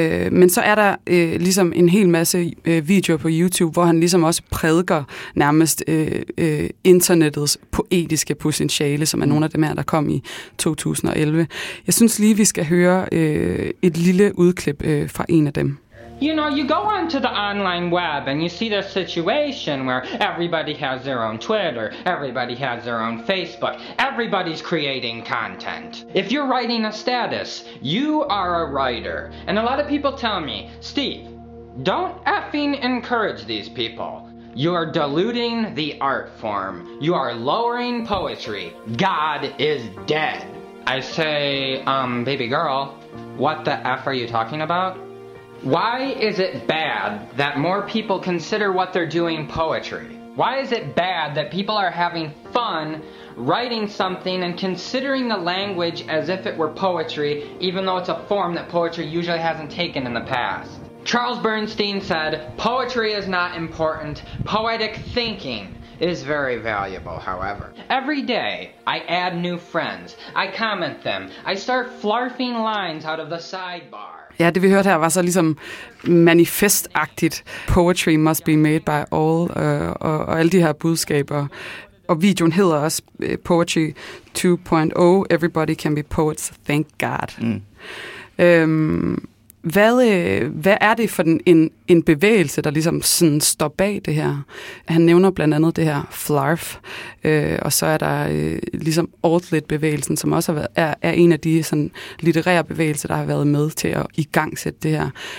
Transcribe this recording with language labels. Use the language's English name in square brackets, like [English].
[Danish] Men så er der ligesom en hel masse videoer på YouTube, hvor han ligesom også prædiker nærmest internettets poetiske potentiale, som er nogle af dem her, der kom i 2011. Jeg synes lige, vi skal høre et lille udklip fra en af dem. [English] You know, you go onto the online web and you see this situation where everybody has their own Twitter, everybody has their own Facebook, everybody's creating content. If you're writing a status, you are a writer. And a lot of people tell me, Steve, don't effing encourage these people. You're diluting the art form. You are lowering poetry. God is dead. I say, baby girl, what the F are you talking about? Why is it bad that more people consider what they're doing poetry? Why is it bad that people are having fun writing something and considering the language as if it were poetry, even though it's a form that poetry usually hasn't taken in the past? Charles Bernstein said, poetry is not important. Poetic thinking is very valuable, however. Every day, I add new friends. I comment them. I start flarfing lines out of the sidebar. [Danish] Ja, det vi hørte her var så ligesom manifestagtigt. [English] Poetry must be made by all, [Danish] og alle de her budskaber. Og videoen hedder også Poetry 2.0. [English] Everybody can be poets, thank God. Mm. [Danish] Hvad er det for en bevægelse, der ligesom sådan står bag det her? Han nævner blandt andet det her flarf, og så er der ligesom Outlet-bevægelsen, som også er en af de sådan litterære bevægelser, der har været med til at igangsætte det her.